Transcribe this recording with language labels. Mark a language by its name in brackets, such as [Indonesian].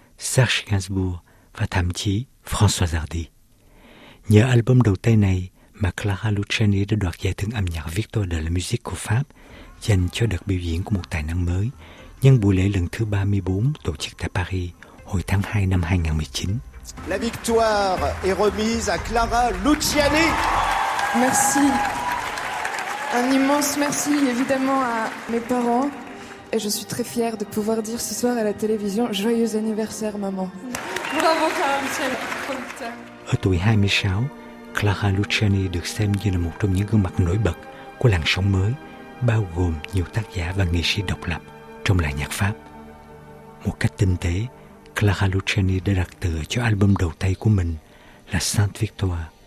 [Vietnamese] Serge Gainsbourg và thậm chí François Hardy. Nhờ album đầu tay này mà Clara Luciani đã đoạt giải thưởng âm nhạc Victoire de la Musique của Pháp dành cho đợt biểu diễn của một tài năng mới nhân buổi lễ lần thứ 34 tổ chức tại Paris hồi tháng 2 năm 2019. [French] La victoire est remise à Clara Luciani. Merci. Un immense merci évidemment à mes parents et je suis très fière de pouvoir dire ce soir à la télévision joyeux anniversaire maman. Bravo Clara Luciani. [Vietnamese] Ở tuổi 26, Clara Luciani được xem như là một trong những gương mặt nổi bật của làn sóng mới, bao gồm nhiều tác giả và nghệ sĩ độc lập trong làng nhạc Pháp. Một cách tinh tế, Clara Luciani đã đặt tựa cho album đầu tay của mình là Sainte Victoire.